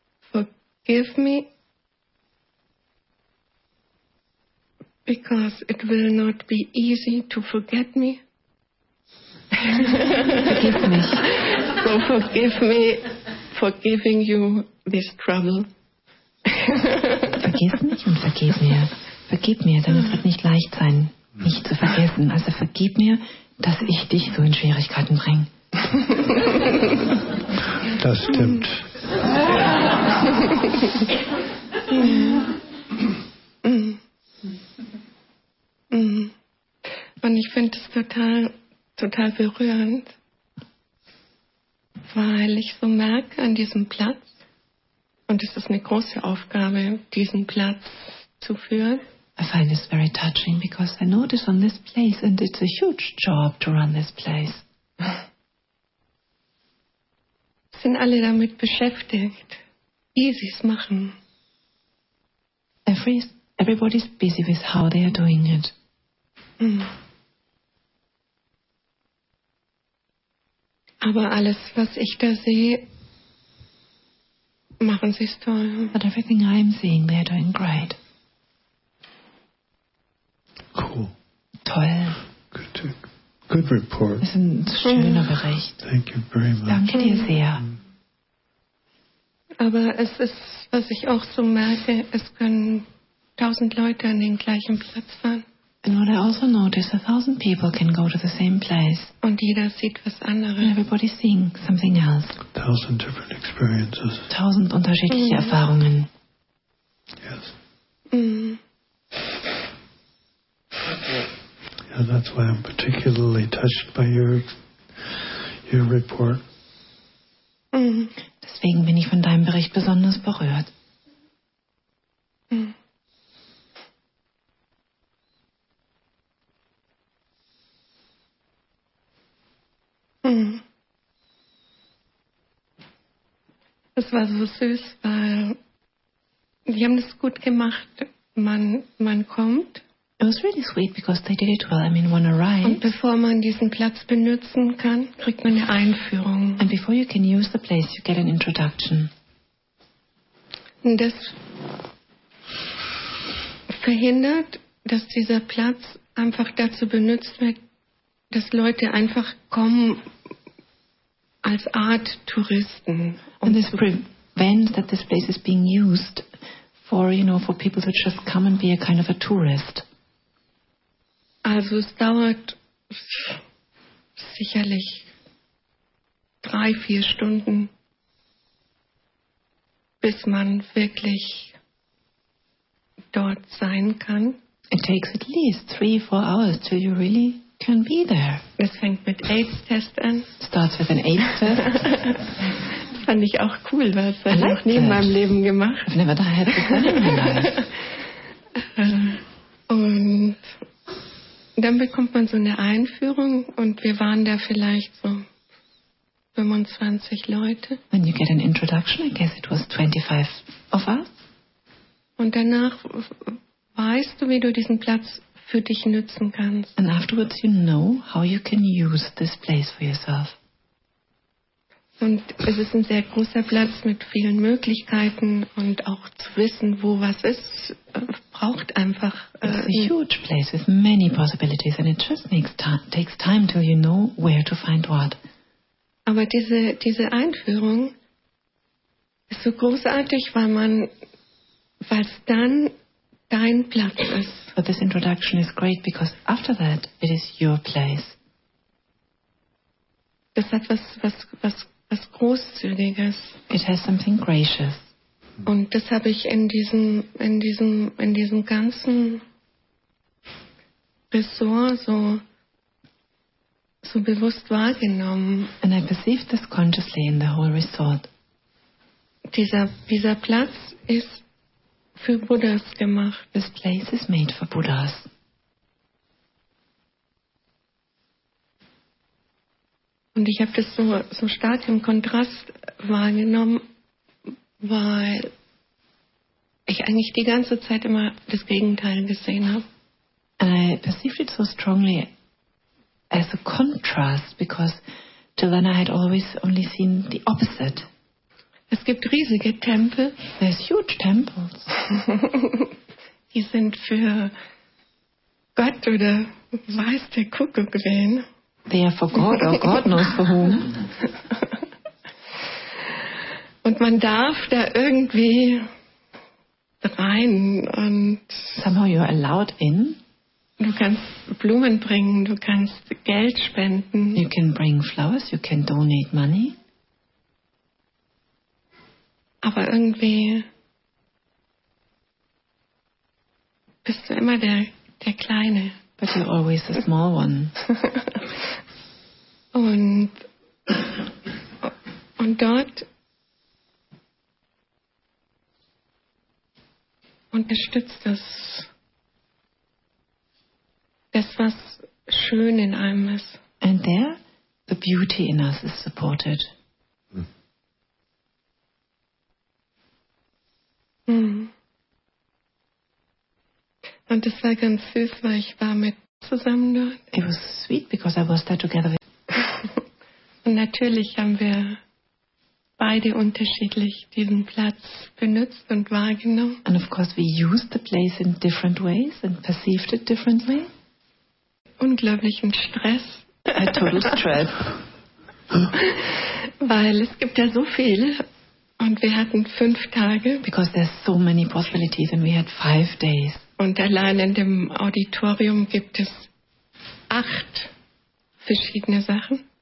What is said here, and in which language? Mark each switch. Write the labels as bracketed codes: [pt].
[en] Forgive me because it will not be easy to forget me. Forgive me. So forgive me for giving you this trouble. [de] Vergiss mich und vergib mir. Vergib mir, denn es wird nicht leicht sein, mich zu vergessen. Also vergib mir, dass ich dich so in Schwierigkeiten bringe. Das stimmt. Und ich finde es total berührend, weil ich so merke an diesem Platz, und es ist eine große Aufgabe, diesen Platz zu führen. [en] I find this very touching because I notice on this place and it's a huge job to run this place. [de] Sind alle damit beschäftigt, wie sie es machen. [en] Everybody's busy with how they are doing it. [de] Aber alles, was ich da sehe, machen sie es toll. [en] But everything I'm seeing, they're doing great. Cool. [de] Toll. [en] Good report. [de] Das ist ein schöner Bericht. [en] Thank you very much. [de] Danke dir sehr. Aber es ist, was ich auch so merke, es können 1000 Leute an den gleichen Platz fahren. [en] And what I also notice, 1000 people can go to the same place. [de] Und jeder sieht was anderes. [en] And everybody's seeing something else. 1000 different experiences. [de] 1000 unterschiedliche Erfahrungen. [en] Yes. Yeah, that's why I'm particularly touched by your report. [de] Deswegen bin ich von deinem Bericht besonders berührt. Es war so süß, weil die haben das gut gemacht. Man kommt. [en] It was really sweet because they did it well. I mean, one arrives. [de] Und bevor man diesen Platz benutzen kann, kriegt man eine Einführung. [en] And before you can use the place, you get an introduction. [de] Und das verhindert, dass dieser Platz einfach dazu benutzt wird, dass Leute einfach kommen als Art Touristen. [en] And this prevents that this place is being used for, you know, for people to just come and be a kind of a tourist. [de] Also es dauert sicherlich 3-4 Stunden, bis man wirklich dort sein kann. [en] It takes at least 3-4 hours till you really can be there. [de] Es fängt mit AIDS-Test an. [en] Starts with an AIDS-Test. [de] Fand ich auch cool, weil es war noch nie in meinem Leben gemacht. [en] I've never had it in my life. [de] Und dann bekommt man so eine Einführung und wir waren da vielleicht so 25 Leute. [en] When you get an introduction, I guess it was 25 of us. [de] Und danach weißt du, wie du diesen Platz für dich nutzen kannst. [en] And afterwards you know how you can use this place for yourself. [de] Und es ist ein sehr großer Platz mit vielen Möglichkeiten und auch zu wissen, wo was ist, braucht einfach. [en] It's a huge place with many possibilities and it just takes time till you know where to find what. [de] Aber diese Einführung ist so großartig, weil es dann dein Platz ist. [en] But this introduction is great because after that it is your place. [de] Das hat was Großzügiges. [en] It has something gracious. [de] Und das habe ich in diesem ganzen Ressort so bewusst wahrgenommen. [en] And I perceive this consciously in the whole resort. [de] Dieser Platz ist für Buddhas gemacht. [en] This place is made for Buddhas. [de] Und ich habe das so stark im Kontrast wahrgenommen, weil ich eigentlich die ganze Zeit immer das Gegenteil gesehen habe. [en] And I perceived it so strongly as a contrast, because till then I had always only seen the opposite. [de] Es gibt riesige Tempel. [en] There's huge temples. [de] Die sind für Gott oder weiß der Kuckuck gewesen. [en] They are for God or God knows for whom. [de] Und man darf da irgendwie rein und... [en] Somehow you're allowed in. [de] Du kannst Blumen bringen, du kannst Geld spenden. [en] You can bring flowers, you can donate money. [de] Aber irgendwie bist du immer der Kleine. [en] But you're always the small one. [de] Und dort... unterstützt das, was schön in einem ist. [en] And there, the beauty in us is supported. [de] Und es war ganz süß, weil ich war mit zusammen dort. [en] It was sweet because I was there together with. [de] Und natürlich haben wir beide unterschiedlich diesen Platz benutzt und wahrgenommen. [en] And of course we used the place in different ways and perceived it differently. [de] Unglaublichen Stress. [en] A total stress. [de] Weil es gibt ja so viel und wir hatten 5 Tage. [en] Because there's so many possibilities and we had 5 days. [de] Und allein in dem Auditorium gibt es 8 verschiedene Sachen.